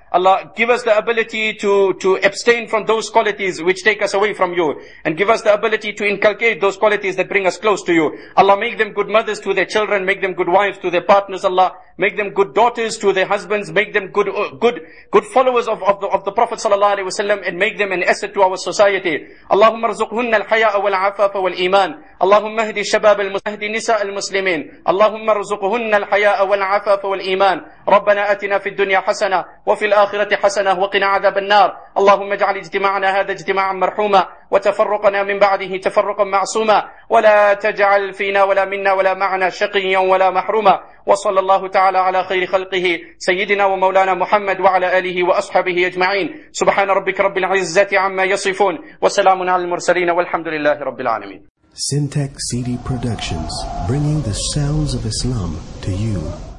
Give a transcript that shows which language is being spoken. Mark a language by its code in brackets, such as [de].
[en] Allah, give us the ability to abstain from those qualities which take us away from you. And give us the ability to inculcate those qualities that bring us close to you. Allah, make them good mothers to their children, make them good wives to their partners, Allah. Make them good daughters to their husbands, make them good followers of the Prophet sallallahu alaihi wasallam, and make them an asset to our society. [ar] Allahumma ارزقهن الحياء والعفاف والإيمان. اللهم اهد الشباب المهدي نساء المسلمين. اللهم ارزقهن الحياء والعفاف والإيمان. ربنا آتنا في الدنيا حسنة وفي الآخرة حسنة وقنا عذاب النار. اللهم اجعل اجتماعنا هذا اجتماعا مرحوما وتفرقنا من بعده تفرقا معصوما ولا تجعل فينا ولا منا ولا معنا شقيا ولا محروما. وصلى الله تعالى على خير خلقه سيدنا ومولانا محمد وعلى آله وأصحابه أجمعين. سبحان ربك رب العزة عما يصفون وسلام على المرسلين والحمد لله رب العالمين. [en] Syntax CD Productions, bringing the sounds of Islam to you.